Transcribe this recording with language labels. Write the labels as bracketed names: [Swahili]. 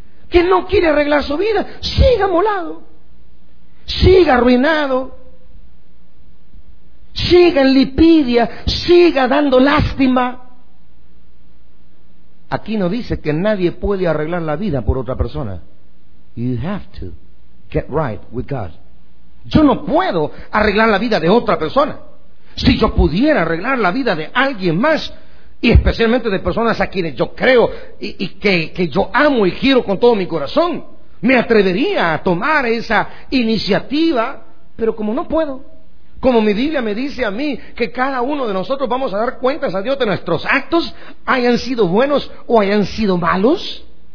[Spanish] Que no quiere arreglar su vida, siga molado, siga arruinado, siga en lipidia, siga dando lástima. Aquí no dice que nadie puede arreglar la vida por otra persona. [English] You have to get right with God. [Spanish] Yo no puedo arreglar la vida de otra persona. Si yo pudiera arreglar la vida de alguien más, y especialmente de personas a quienes yo creo y que yo amo y quiero con todo mi corazón, me atrevería a tomar esa iniciativa, pero como no puedo, como mi Biblia me dice a mí que cada uno de nosotros vamos a dar cuentas a Dios de nuestros actos, hayan sido buenos o hayan sido malos.